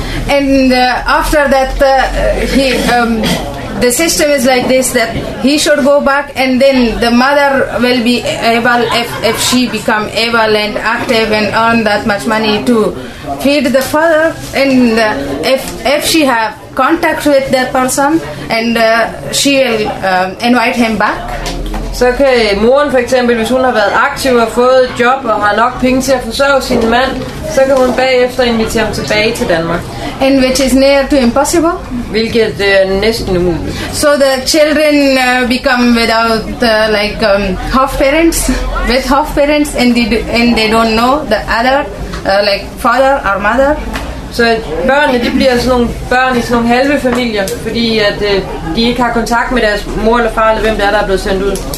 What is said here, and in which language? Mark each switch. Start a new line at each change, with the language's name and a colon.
English: And after that he the system is like this that he should go back and then the mother will be able if she become able and active and earn that much money to feed the father and if she have contact with that person and she will invite him back.
Danish: Så kan moren for eksempel, hvis hun har været aktiv og fået et job og har nok penge til at forsørge sin mand, så kan hun bagefter invitere ham tilbage til Danmark.
English: And which is near to impossible.
Danish: Hvilket er næsten umuligt.
English: So the children become without like half parents, with half parents, and they don't know the other like father or mother.
Danish: Så børnene, de bliver sådan nogle børn i sådan nogle halve familier, fordi at de ikke har kontakt med deres mor eller far eller hvem det er, der er blevet sendt ud.